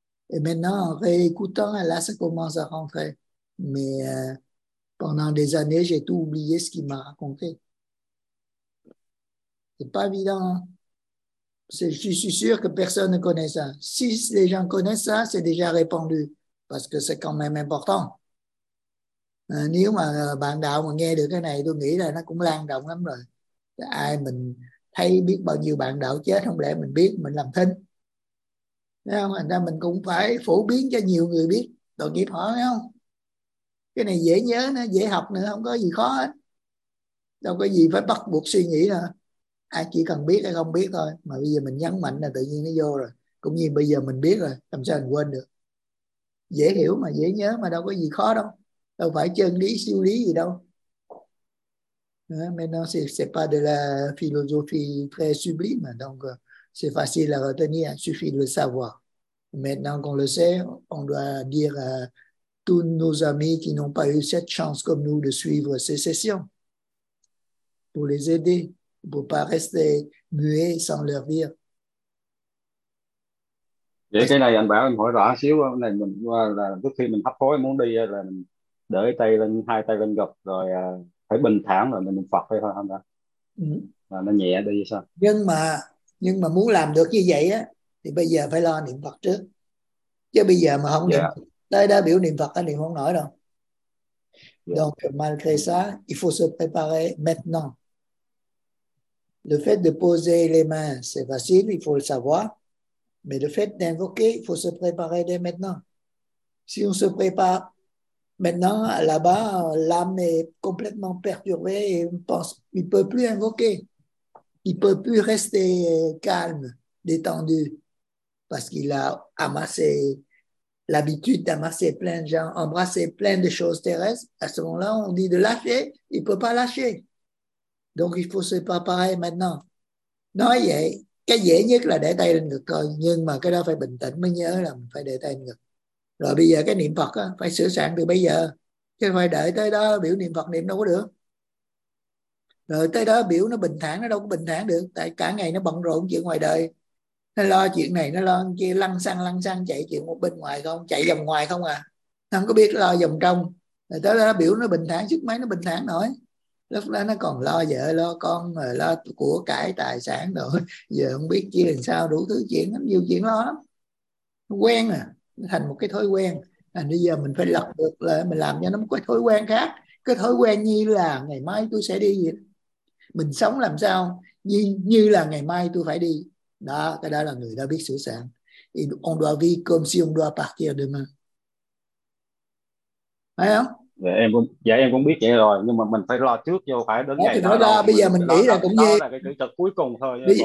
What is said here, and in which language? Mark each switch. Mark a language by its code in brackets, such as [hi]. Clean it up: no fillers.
[fr] Et maintenant, en réécoutant, là, ça commence à rentrer. Mais pendant des années, j'ai tout oublié ce qu'il m'a raconté. C'est pas évident. Je suis sûr que personne ne connaît ça. Si les gens connaissent ça, c'est déjà répandu. Parce que c'est quand même important. [vi] Nếu mà bạn đạo mà nghe được cái này, tôi nghĩ là nó cũng lan rộng lắm rồi. Ai mình thấy biết bao nhiêu bạn đạo chết, không lẽ mình biết, mình làm thinh. Thấy không? Thành ra mình cũng phải phổ biến cho nhiều người biết. Tội nghiệp họ, thấy không? Cái này dễ nhớ, nó dễ học nữa, không có gì khó hết. Đâu có gì phải bắt buộc suy nghĩ nữa. Ai chỉ cần biết hay không biết thôi. Mà bây giờ mình nhấn mạnh là tự nhiên nó vô rồi. Cũng như bây giờ mình biết rồi, làm sao mình quên được. Dễ hiểu mà dễ nhớ mà đâu có gì khó đâu. Đâu phải chân lý, siêu lý gì đâu. [fr] Maintenant, ce n'est pas de la philosophie très sublime. Donc, c'est facile à retenir. Il suffit de le savoir. Maintenant qu'on le sait, on doit dire à tous nos amis qui n'ont pas eu cette chance comme nous de suivre ces sessions pour les aider, pour ne pas rester muets sans leur dire. [vi] Vậy cái này anh bảo em hỏi rõ xíu. Cái này mình là trước khi mình hấp hối muốn đi là mình đợi tay lên, hai tay lên gập rồi phải bình thản rồi mình phật thôi thôi không đã. Và nó nhẹ đi sao? Nhưng mà muốn làm được như vậy á thì bây giờ phải lo niệm Phật trước. Chứ bây giờ mà không niệm tới đã biểu niệm Phật thì không nổi đâu. [fr] Donc malgré ça, il faut se préparer maintenant. Le fait de poser les mains, c'est facile, il faut le savoir. Mais le fait d'invoquer, il faut se préparer dès maintenant. Si on se prépare maintenant, là-bas, l'âme est complètement perturbée et pense, il ne peut plus invoquer. Il ne peut plus rester calme, détendu, parce qu'il a amassé l'habitude d'amasser plein de gens, embrasser plein de choses terrestres. À ce moment-là, on dit de lâcher, il ne peut pas lâcher. Donc, il faut se préparer maintenant. [vi] Nói vậy, cái dễ nhất là để tay lên ngực thôi. Nhưng mà cái đó phải bình tĩnh mới nhớ là mình phải để tay lên ngực. Rồi bây giờ cái niệm Phật á, phải sửa soạn từ bây giờ. Chứ phải đợi tới đó biểu niệm Phật niệm đâu có được. Rồi tới đó biểu nó bình thản, nó đâu có bình thản được. Tại cả ngày nó bận rộn chuyện ngoài đời. Nó lo chuyện này, nó lo chuyện kia, lăng xăng chạy chuyện một bên ngoài không, chạy vòng ngoài không à. Không có biết lo vòng trong. Rồi tới đó biểu nó bình thản, sức máy nó bình thản nổi. Lúc đó nó còn lo vợ, lo con, lo của cải, tài sản rồi. Giờ không biết chi làm sao, đủ thứ chuyện, nhiều chuyện lo lắm. Nó quen à, nó thành một cái thói quen. Bây giờ mình phải lật được lại, mình làm cho nó một cái thói quen khác. Cái thói quen như là ngày mai tôi sẽ đi. Mình sống làm sao, như là ngày mai tôi phải đi. Đó, cái đó là người đã biết sửa sản. [fr] On doit vivre comme si on doit partir demain. [vi] Phải không? Em cũng biết vậy rồi, nhưng mà mình phải lo trước vô, phải đến ngày đó. Đó bây giờ mình nghĩ là cũng như là cái chữ thật cuối cùng thôi.